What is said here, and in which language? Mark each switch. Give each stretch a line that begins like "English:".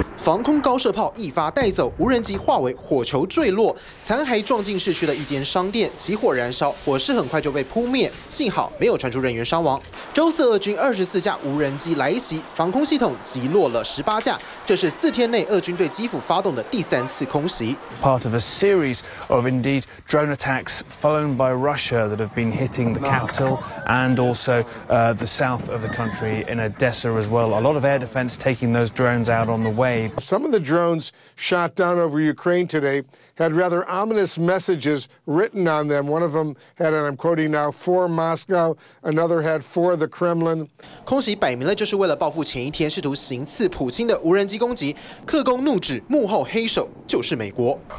Chinese: 防空高射炮一发带走，无人机化为火球坠落，残骸撞进市区的一间商店，起火燃烧，火势很快就被扑灭，幸好没有传出人员伤亡。周四俄军24架无人机来袭，防空系统击落了18架，这是4天内俄军对基辅发动的第3次空袭。
English: Part of a series of indeed drone attacks flown by Russia that have been hitting the capital and also the south of the country in Odessa as well. A lot of air defense taking those drones out on the way. Some of the drones shot down over Ukraine today had rather ominous messages written on them. One of them had, and I'm quoting now, for Moscow. Another had for the Kremlin.
Chinese: 空袭摆明了就是为了报复前一天试图行刺普京的无人机攻击。克宫怒指幕后黑手就是美国。